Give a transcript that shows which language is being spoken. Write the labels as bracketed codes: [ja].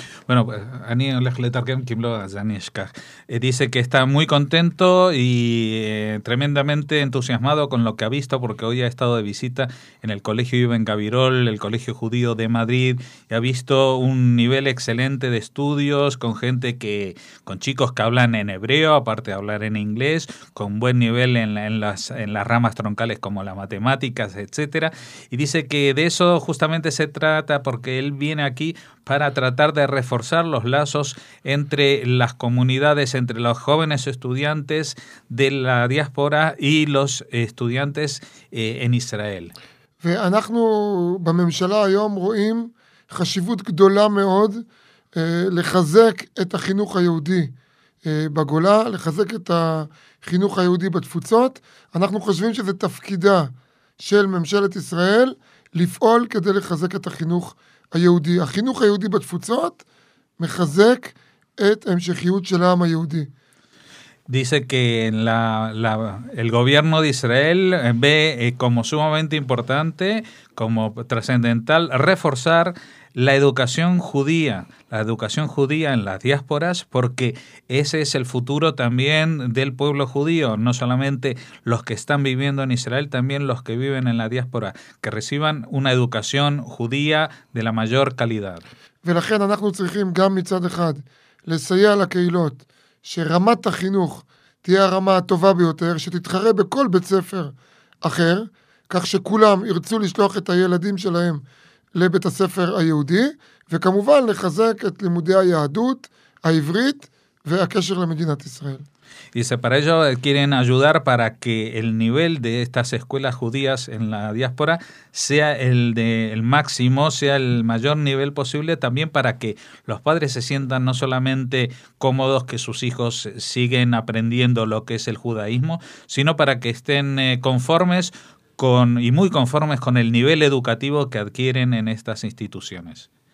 [he] Bueno, אני הולך לתרגם, כי אם לא, אז אני אשכח. [es] Dice que está muy contento y tremendamente entusiasmado con lo que ha visto, porque hoy ha estado de visita en el Colegio Iben Gavirol, el Colegio Judío de Madrid, y ha visto un nivel excelente de estudios con gente que, con chicos que hablan en hebreo, aparte de hablar en inglés, con buen nivel en las ramas troncales como las matemáticas, etcétera. Y dice que de eso justamente se trata, porque él viene aquí para tratar de reforzar los lazos entre las comunidades, entre los jóvenes estudiantes de la diáspora y los estudiantes en Israel. [he] ואנחנו בממשלה היום רואים חשיבות גדולה מאוד לחזק את החינוך היהודי בגולה, לחזק את החינוך היהודי בתפוצות. אנחנו חושבים שזה תפקידה של ממשלת ישראל לפעול כדי לחזק את החינוך היהודי. החינוך היהודי בתפוצות מחזק את המשכיות של העם היהודי. [es] Dice que el gobierno de Israel ve como sumamente importante, como trascendental, reforzar la educación judía, en las diásporas, porque ese es el futuro también del pueblo judío, no solamente los que están viviendo en Israel, también los que viven en la diáspora, que reciban una educación judía de la mayor calidad. [he] ולכן אנחנו צריכים גם מצד אחד לסייע לקהילות שרמת החינוך תהיה הרמה הטובה ביותר, שתתחרה בכל בית ספר אחר, כך שכולם ירצו לשלוח את הילדים שלהם לבית הספר היהודי, וכמובן לחזק את לימודי היהדות, העברית והקשר למדינת ישראל. [es] Dice, para ello quieren ayudar para que el nivel de estas escuelas judías en la diáspora sea el máximo, sea el mayor nivel posible, también para que los padres se sientan no solamente cómodos que sus hijos siguen aprendiendo lo que es el judaísmo, sino para que estén conformes con y muy conformes con el nivel educativo que adquieren en estas instituciones.